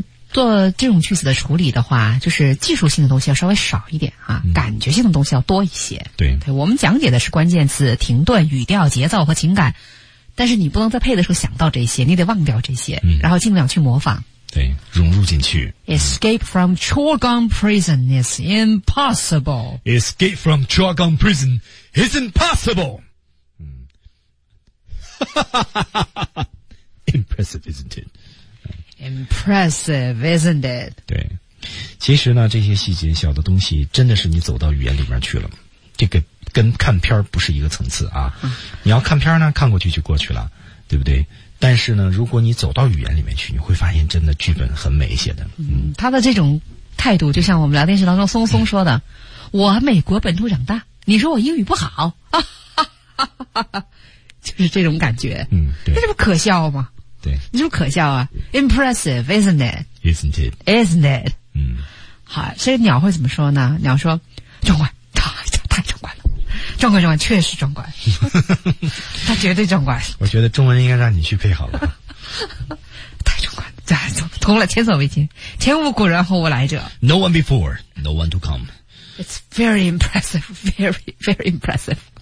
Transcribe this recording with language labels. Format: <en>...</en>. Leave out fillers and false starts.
<zh>做这种句子的处理的话，就是技术性的东西要稍微少一点啊，感觉性的东西要多一些。对，我们讲解的是关键词、停顿、语调、节奏和情感，但是你不能在配的时候想到这些，你得忘掉这些，然后尽量去模仿。对，融入进去。</zh> <en>Escape from Chorgum prison is impossible. Escape from Chorgum prison is impossible. Impressive, isn't it? Impressive, isn't it?</en> <zh>对，其实呢，这些细节小的东西真的是你走到语言里面去了，这个跟看片不是一个层次啊。你要看片呢，看过去就过去了，对不对？但是呢，如果你走到语言里面去，你会发现真的剧本很美写的。他的这种态度就像我们聊电视当中松松说的，我美国本土长大，你说我英语不好，就是这种感觉。对，那这不可笑吗？对，你是不是可笑啊 ？</zh> <en>Impressive, isn't it? Isn't it? Isn't it?</en> <zh>好，所以鸟会怎么说呢？鸟说：“壮观，太壮观了，壮观壮观，确实壮观，他绝对壮观。” 我觉得中文应该让你去配好了。太壮观，这怎么通了？前所未见，前无古人后无来者。</zh> <en>No one before, no one to come. It's very impressive, very very impressive.</en>